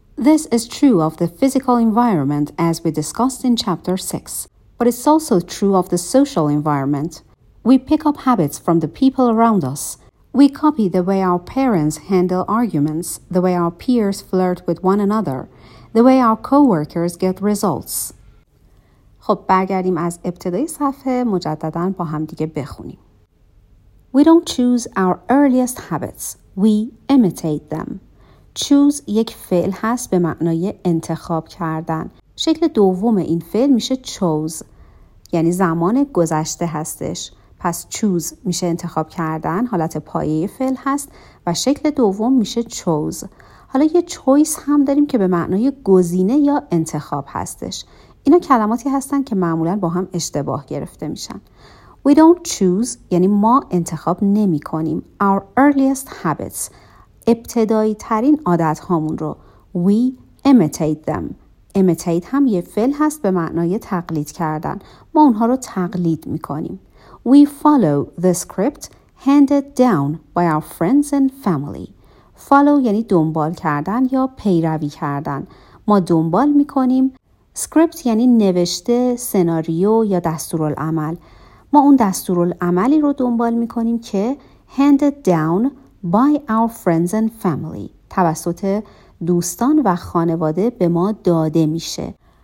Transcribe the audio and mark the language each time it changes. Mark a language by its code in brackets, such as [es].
[en] This is true of the physical environment, as we discussed in Chapter 6, but it's also true of the social environment. We pick up habits from the people around us. We copy the way our parents handle arguments, the way our peers flirt with one another, the way our co-workers get results. [fa] خب برگردیم از ابتدای صفحه مجدداً با هم دیگه بخونیم. [en] We don't choose our earliest habits. We imitate them. [fa] Choose یک فعل هست به معنای انتخاب کردن. شکل دوم این فعل میشه chose. یعنی زمان گذشته هستش. پس choose میشه انتخاب کردن. حالت پایه فعل هست و شکل دوم میشه chose. حالا یه choice هم داریم که به معنای گزینه یا انتخاب هستش. اینا کلماتی هستن که معمولاً با هم اشتباه گرفته میشن. [en] We don't choose [fa] یعنی ما انتخاب نمی کنیم. [en] Our earliest habits، [fa] ابتدایی ترین عادت هامون رو. [en] We imitate them. [fa] Imitate هم یه فعل هست به معنای تقلید کردن. ما اونها رو تقلید می کنیم. [en] We follow the script handed down by our friends and family. [fa] Follow یعنی دنبال کردن یا پیروی کردن. ما دنبال می کنیم. Script یعنی نوشته، سناریو یا دستورالعمل. ما اون دستورالعملی رو دنبال می کنیم که [en] handed down by our friends and family، [fa] توسط دوستان و خانواده به ما داده میشه.